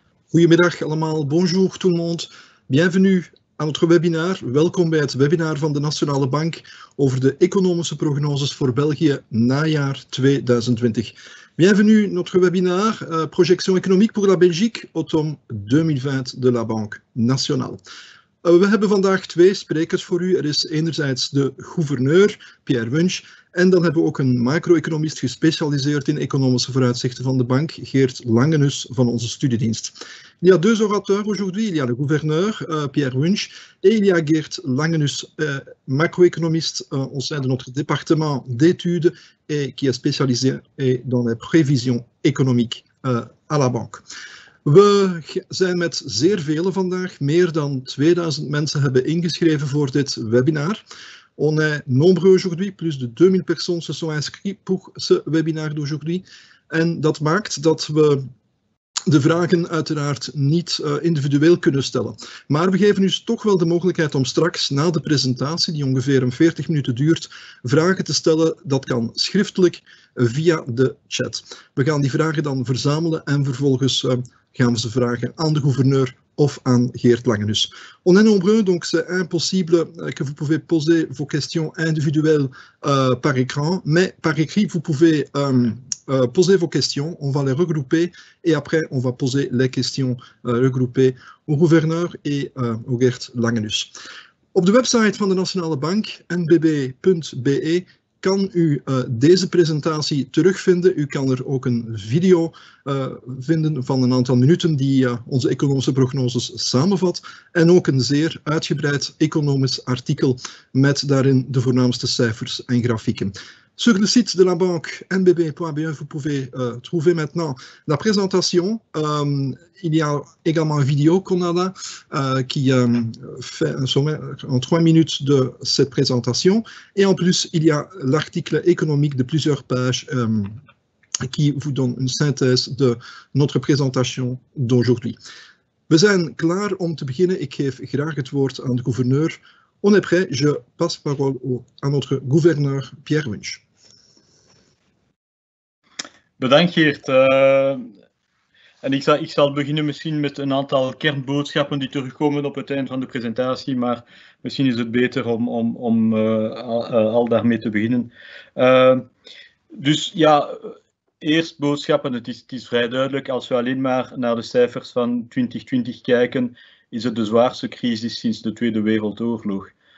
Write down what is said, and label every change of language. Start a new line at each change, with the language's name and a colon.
Dutch: Goedemiddag allemaal,
French: bonjour tout le monde. Bienvenue à notre webinaire.
Dutch: Welkom bij het webinaire van de Nationale Bank over de economische prognoses voor België najaar 2020. Bienvenue à notre webinaire Projection économique pour la Belgique, automne 2020 de la Banque Nationale. We hebben vandaag twee sprekers voor u. Er is enerzijds de gouverneur, Pierre Wunsch, en dan hebben we ook een macro-economist gespecialiseerd in economische vooruitzichten van de bank, Geert Langenus van onze studiedienst.
French: Il y a deux orateurs aujourd'hui. Il y a le gouverneur, Pierre Wunsch, et il y a Geert Langenus, macro-économiste au sein de notre département d'études et qui est spécialisé dans les prévisions économiques à la banque.
Dutch: We zijn met zeer velen vandaag. Meer dan 2000 mensen hebben ingeschreven voor dit webinar.
French: On est nombreux aujourd'hui, plus de 2000 personnes se sont inscrits pour ce webinar d'aujourd'hui.
Dutch: En dat maakt dat we de vragen uiteraard niet individueel kunnen stellen. Maar we geven u toch wel de mogelijkheid om straks, na de presentatie, die ongeveer 40 minuten duurt, vragen te stellen. Dat kan schriftelijk via de chat. We gaan die vragen dan verzamelen en vervolgens gaan we ze vragen aan de gouverneur of aan Geert Langenus.
French: On est nombreux, donc c'est impossible que vous pouvez poser vos questions individuelles par écran, mais par écrit, vous pouvez poser vos questions, on va les regrouper et après, on va poser les questions regroupées au gouverneur et au Geert Langenus.
Dutch: Op de website van de Nationale Bank, nbb.be, kan u deze presentatie terugvinden. U kan er ook een video vinden van een aantal minuten die onze economische prognoses samenvat. En ook een zeer uitgebreid economisch artikel met daarin de voornaamste cijfers en grafieken.
French: Sur le site de la banque nbb.be, vous pouvez trouver maintenant la présentation. Il y a également une vidéo qu'on a là qui fait un sommaire en 3 minutes de cette présentation. Et en plus, il y a l'article économique de plusieurs pages qui vous donne une synthèse de notre présentation d'aujourd'hui.
Dutch: We zijn klaar om te beginnen. Ik geef graag het woord aan de gouverneur.
French: On est prêt, je passe parole à notre gouverneur Pierre Wunsch.
Dutch: Bedankt Geert. En ik zal beginnen misschien met een aantal kernboodschappen die terugkomen op het einde van de presentatie, maar misschien is het beter om al daarmee te beginnen. Dus ja, eerst boodschappen. Het is vrij duidelijk, als we alleen maar naar de cijfers van 2020 kijken, is het de zwaarste crisis sinds de Tweede Wereldoorlog.